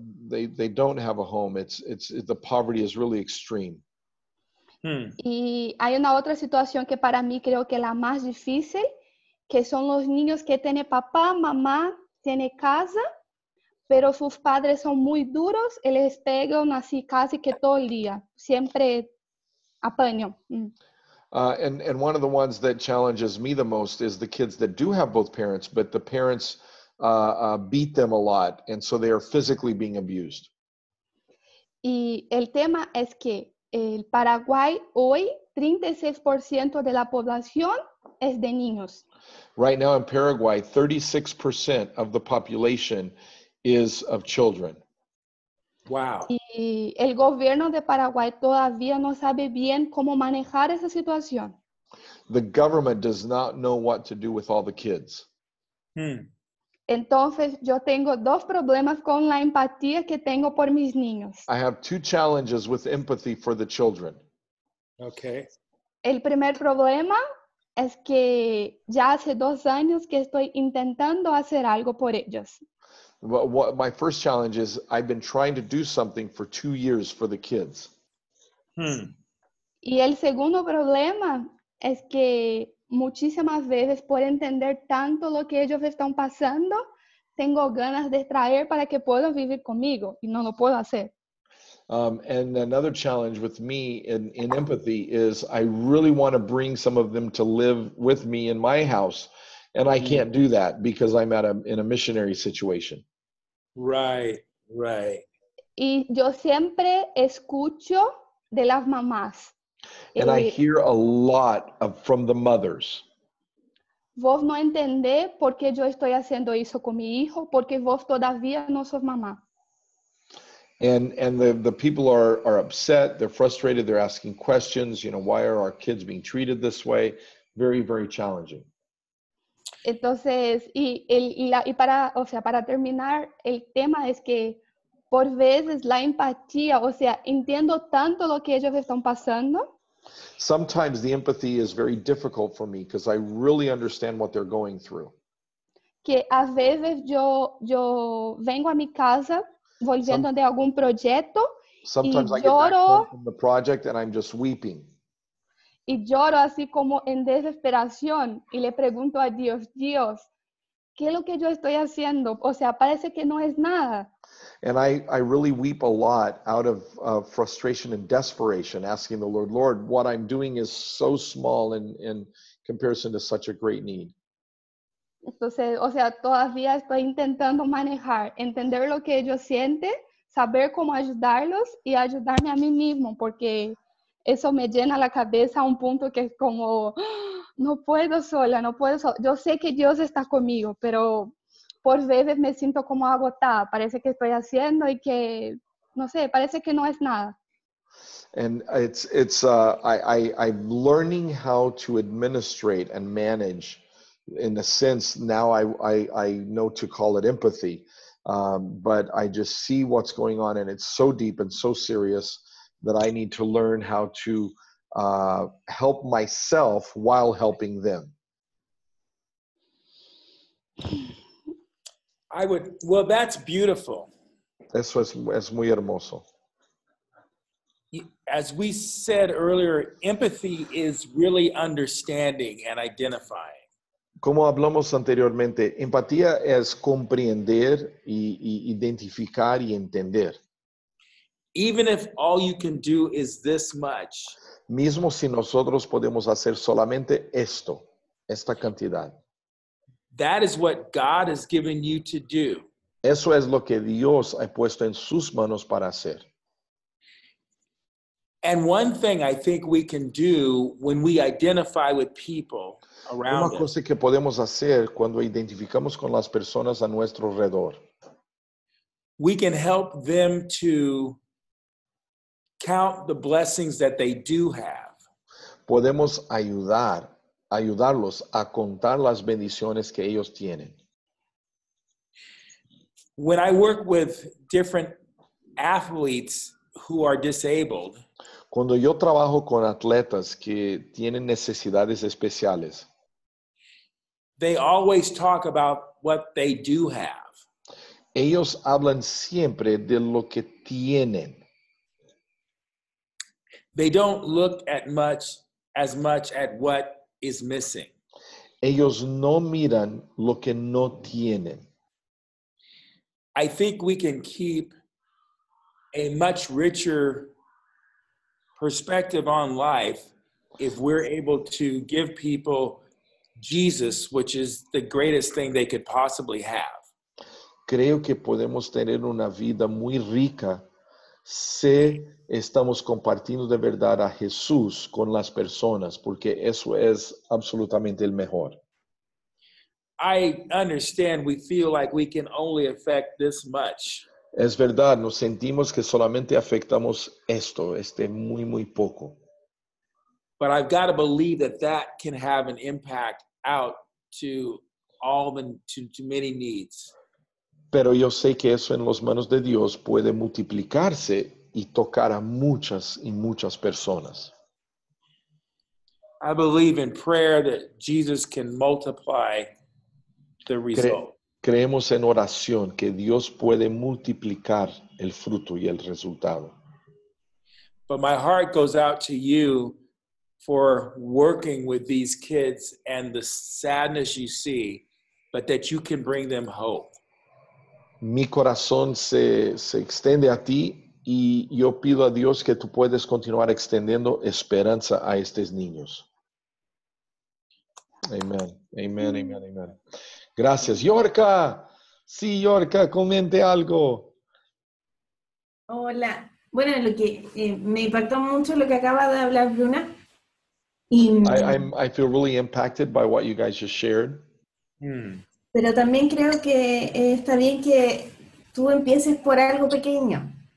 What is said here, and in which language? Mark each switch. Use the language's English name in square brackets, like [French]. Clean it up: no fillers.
[English] They don't have a home. It's the poverty is really extreme. [Spanish] Y hay una otra situación que para mí creo que es la más difícil, que son los niños que tienen papá, mamá, tienen casa, pero sus padres son muy duros, y les pegan así casi que todo el día, siempre apaño. [English] And one of the ones that challenges me the most is the kids that do have both parents, but the parents beat them a lot, and so they are physically being abused. [Spanish] Y el tema es que el Paraguay hoy 36% de la población es de niños. [English] Right now in Paraguay, 36% of the population is of children. Wow. [Spanish] Y el gobierno de Paraguay todavía no sabe bien cómo manejar esa situación. [English] The government does not know what to do with all the kids. [Spanish] Entonces, yo tengo dos problemas con la empatía que tengo por mis niños. [English] I have two challenges with empathy for the children. Okay. [Spanish] El primer problema es que ya hace 2 años que estoy intentando hacer algo por ellos. [English] What my first challenge is, I've been trying to do something for 2 years for the kids. [Spanish] Y el segundo problema es que muchísimas veces por entender tanto lo que ellos están pasando, tengo ganas de traer para que puedan vivir conmigo, y no lo puedo hacer. [English] And another challenge with me in empathy is I really want to bring some of them to live with me in my house, and I can't do that because I'm in a missionary situation. Right. [Spanish] Y yo siempre escucho de las mamás. [English] And I hear a lot from the mothers. [Spanish] Vos no entendés por qué yo estoy haciendo eso con mi hijo, porque vos todavía no sos mamá. [English] And the people are upset, they're frustrated, they're asking questions, you know, why are our kids being treated this way? Very, very challenging. [Spanish] Entonces, para terminar, el tema es que por veces la empatía, o sea, entiendo tanto lo que ellos están pasando. [English] Sometimes the empathy is very difficult for me because I really understand what they're going through. [Spanish] Que a veces yo vengo a mi casa volviendo de algún proyecto [English] sometimes [Spanish] y lloro. [English] I get back home from the project and I'm just weeping. [Spanish] Y lloro así como en desesperación y le pregunto a Dios, Dios, ¿qué es lo que yo estoy haciendo? O sea, parece que no es nada. [English] And I really weep a lot out of frustration and desperation, asking the Lord, Lord, what I'm doing is so small in comparison to such a great need. [Spanish] Entonces, o sea, todavía estoy intentando manejar, entender lo que ellos sienten, saber cómo ayudarlos y ayudarme a mí mismo, porque eso me llena la cabeza a un punto que es como, no puedo sola, no puedo sola. Yo sé que Dios está conmigo, pero por veces me siento como agotada. Parece que estoy haciendo y que, no sé, parece que no es nada. [English] And it's I'm learning how to administrate and manage, in a sense, now I know to call it empathy. But I just see what's going on and it's so deep and so serious that I need to learn how to help myself while helping them. I would, well, that's beautiful. [Spanish] Eso es muy hermoso. [English] As we said earlier, empathy is really understanding and identifying. [Spanish] Como hablamos anteriormente, empatía es comprender y identificar y entender. [English] Even if all you can do is this much. [Spanish] Mismo si nosotros podemos hacer solamente esto, esta cantidad. [English] That is what God has given you to do. [Spanish] Eso es lo que Dios ha puesto en sus manos para hacer. [English] And one thing I think we can do when we identify with people around us. [Spanish] Una cosa que podemos hacer cuando identificamos con las personas a nuestro alrededor. [English] We can help them to count the blessings that they do have. [Spanish] Podemos ayudarlos a contar las bendiciones que ellos tienen. [English] When I work with different athletes who are disabled, [Spanish] cuando yo trabajo con atletas que tienen necesidades especiales, [English] they always talk about what they do have. [Spanish] Ellos hablan siempre de lo que tienen. [English] They don't look at much as much at what is missing. [Spanish] Ellos no miran lo que no tienen. [English] I think we can keep a much richer perspective on life if we're able to give people Jesus, which is the greatest thing they could possibly have. [Spanish] Creo que podemos tener una vida muy rica si estamos compartiendo de verdad a Jesús con las personas, porque eso es absolutamente el mejor. [English] I understand we feel like we can only affect this much. [Spanish] Es verdad, nos sentimos que solamente afectamos esto, este muy, muy poco. [English] But I've got to believe that that can have an impact out to all the to many needs. [Spanish] Pero yo sé que eso en las manos de Dios puede multiplicarse y tocar a muchas y muchas personas. [English] I believe in prayer that Jesus can multiply the result. [Spanish] Creemos en oración que Dios puede multiplicar el fruto y el resultado. [English] But my heart goes out to you for working with these kids and the sadness you see, but that you can bring them hope. [Spanish] Mi corazón se extiende a ti y yo pido a Dios que tú puedes continuar extendiendo esperanza a estos niños. Amén, amén, amén, amén. Gracias. Yorka, sí, Yorka, comente algo. Hola. Bueno, lo que me impactó mucho lo que acaba de hablar Bruna. [English] I feel really impacted by what you guys just shared. [Spanish] Pero también creo que está bien que tú empieces por algo pequeño.